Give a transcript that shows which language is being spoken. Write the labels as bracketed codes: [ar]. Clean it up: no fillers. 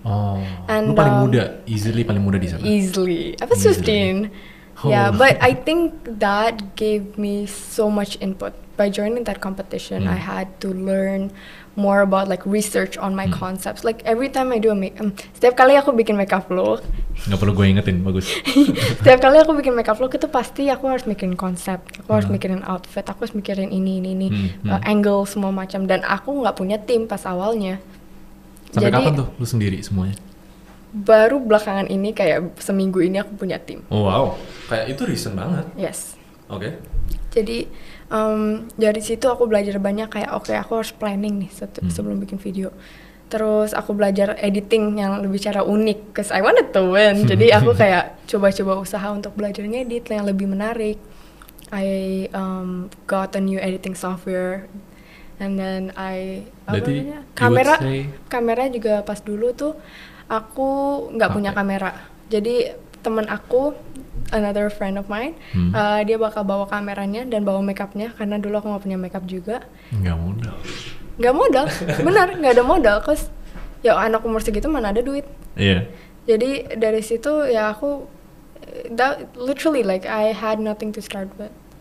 [id] Oh. And lu paling muda, [en] easily [id] paling muda di sana. [en] Easily, I was 15. Oh. Yeah, but I think that gave me so much input. By joining that competition, I had to learn more about like research on my concepts. Like every time I do a makeup, [id] setiap kali aku bikin makeup vlog. Gak perlu gue ingetin, bagus. Setiap kali aku bikin makeup vlog itu pasti aku harus mikirin konsep, aku harus mikirin outfit, aku harus mikirin ini, angle semua macam. Dan aku gak punya tim pas awalnya. Sampai jadi, kapan tuh lu sendiri semuanya? baru belakangan ini, kayak seminggu ini aku punya tim. Oh, wow, kayak itu recent banget. [en] Yes. [id] Oke. Jadi dari situ aku belajar banyak, kayak oke, aku harus planning nih sebelum bikin video. Terus aku belajar editing yang lebih cara unik, [en] cause I wanted to win. [id] Jadi aku kayak coba-coba usaha untuk belajar ngedit yang lebih menarik. [en] I got a new editing software, and then I [id] berarti kamera, kamera juga pas dulu tuh aku nggak punya kamera. Jadi teman aku, [en] another friend of mine, [id] dia bakal bawa kameranya dan bawa makeupnya, karena dulu aku nggak punya makeup juga. Nggak modal, benar, nggak ada modal, cause ya anak umur segitu mana ada duit. Iya. Yeah. Jadi dari situ ya aku [en] literally like I had nothing to start with.